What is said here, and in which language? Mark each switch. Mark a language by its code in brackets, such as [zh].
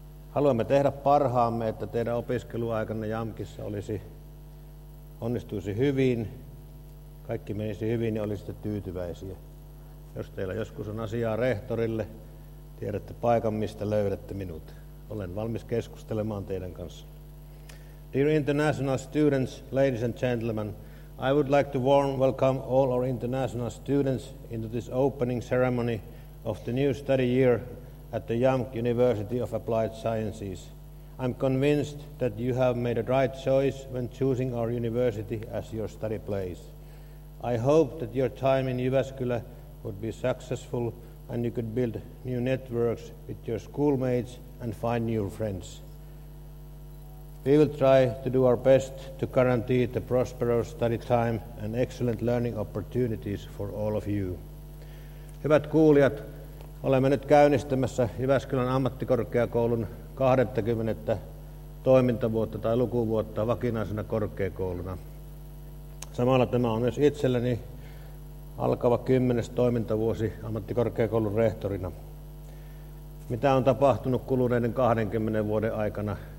[fi] Haluamme tehdä parhaamme, että teidän opiskeluaikanne JAMKissa onnistuisi hyvin. Kaikki menisi hyvin ja olisitte tyytyväisiä. Jos teillä joskus on asiaa rehtorille, tiedätte paikan, mistä löydätte minut. Olen valmis keskustelemaan teidän kanssa. [en] Dear international students, ladies and gentlemen, I would like to warm welcome all our international students into this opening ceremony of the new study year at the JAMK University of Applied Sciences. I'm convinced that you have made a right choice when choosing our university as your study place. I hope that your time in Jyväskylä would be successful and you could build new networks with your schoolmates and find new friends. We will try to do our best to guarantee the prosperous study time and excellent learning opportunities for all of you. [fi] Hyvät kuulijat, olemme nyt käynnistämässä Jyväskylän ammattikorkeakoulun 20. toimintavuotta tai lukuvuotta vakinaisena korkeakouluna. Samalla tämä on myös itselleni alkava 10. toimintavuosi ammattikorkeakoulun rehtorina. Mitä on tapahtunut kuluneiden 20 vuoden aikana?